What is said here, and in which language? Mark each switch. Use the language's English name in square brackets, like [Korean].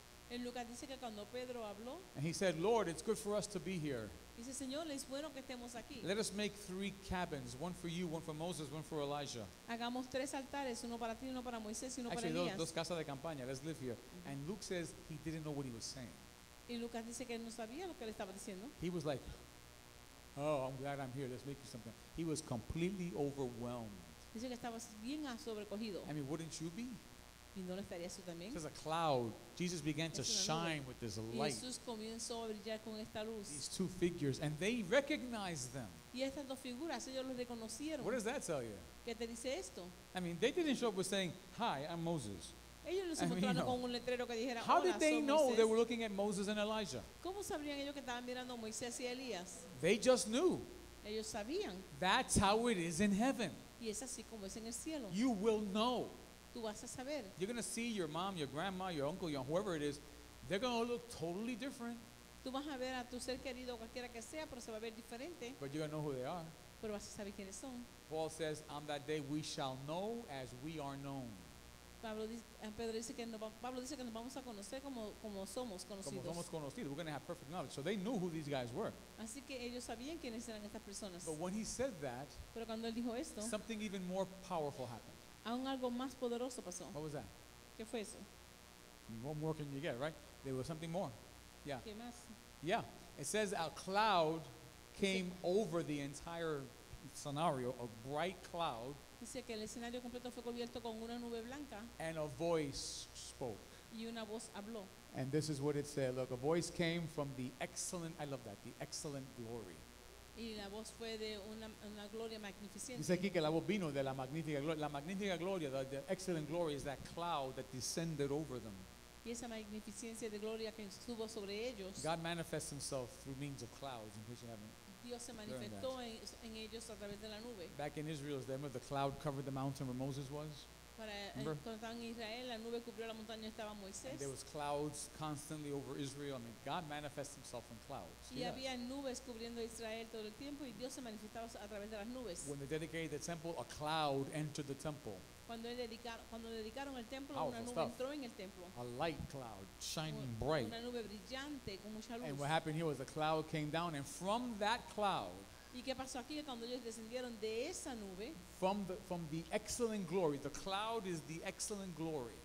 [Spanish] en Lucas dice que cuando Pedro habló, [English] and he said, Lord, it's good for us to be here. [Spanish] Dice, Señor, es bueno que estemos aquí. [English] Let us make three cabins, one for you, one for Moses, one for Elijah. [Spanish] Hagamos tres altares, uno para ti, uno para Moisés, y uno [English] actually, [Spanish] para Elías. Dos casas de campaña, [English] let's live here. [Spanish] Mm-hmm. [English] And Luke says he didn't know what he was saying. [Spanish] Y Lucas dice que él no sabía lo que él estaba diciendo. [English] He was like, oh, I'm glad I'm here, let's make you something. He was completely overwhelmed. [Spanish] Dice que estaba bien sobrecogido. [English] I mean, wouldn't you be? [Spanish] ¿Y no estarías tú también? [English] There's a cloud. Jesus began to shine with this light. [Spanish] Jesús comenzó a brillar con esta luz. [English] These two figures, and they recognized them. [Spanish] Y estas dos figuras, ellos los reconocieron. [English] What does that tell you? [Spanish] ¿Qué te dice esto? [English] I mean, they didn't show up with saying, hi, I'm Moses. [Spanish] Ellos no se mostraron con un letrero que dijera, [English] how did they know they were looking at Moses and Elijah? [Spanish] ¿Cómo sabrían ellos que estaban mirando a Moisés y Elías? [English] They just knew. [Spanish] Ellos sabían. [English] That's how it is in heaven. [Spanish] Y es así como es en el cielo. [English] You will know. [Spanish] Tú vas a saber. [English] You're going to see your mom, your grandma, your uncle, your whoever it is, they're going to look totally different. [Spanish] Tú vas a ver a tu ser querido, cualquiera que sea, pero se va a ver diferente. [English] But you're going to know who they are. [Spanish] Pero vas a saber quiénes son. [English] Paul says, on that day we shall know as we are known. [Spanish] Pablo dice que nos vamos a conocer como somos conocidos. Como somos conocidos. [English] We're going to have perfect knowledge. So they knew who these guys were. [Spanish] Así que ellos sabían quiénes eran estas personas. [English] But when he said that, [Spanish] pero cuando él dijo esto, [English] something even more powerful happened. [Spanish] Algo más poderoso pasó. [English] What was that? [Spanish] ¿Qué fue eso? [English] What more can you get, right? There was something more. Yeah. [Spanish] ¿Qué más? [English] Yeah. It says a cloud came over the entire scenario, a bright cloud. [Spanish] Dice que el escenario completo fue cubierto con una nube blanca. [English] And a voice spoke. [Spanish] Y una voz habló. [English] And this is what it said. Look, a voice came from the excellent, I love that, the excellent glory. [Spanish] Y la voz fue de una gloria magnificente. Dice aquí que la voz vino de la magnífica gloria. La magnífica gloria, [English] the excellent glory, is that cloud that descended over them. [Spanish] Y esa magnificencia de gloria que estuvo sobre ellos. [English] God manifests himself through means of clouds, in case you haven't learned [Spanish] that. Dios se manifestó en ellos a través de la nube. [English] Back in Israel, remember the cloud covered the mountain where Moses was? Remember? There was clouds constantly over Israel. I mean, God manifests himself in clouds. When they dedicated the temple, a cloud entered the temple. A light cloud, shining bright. [Spanish] Una nube brillante, con mucha luz. [English] And what happened here was a cloud came down, and from that cloud, [Spanish] ¿y qué pasó aquí cuando ellos descendieron de esa nube? [English] From the excellent glory, the cloud is the excellent glory.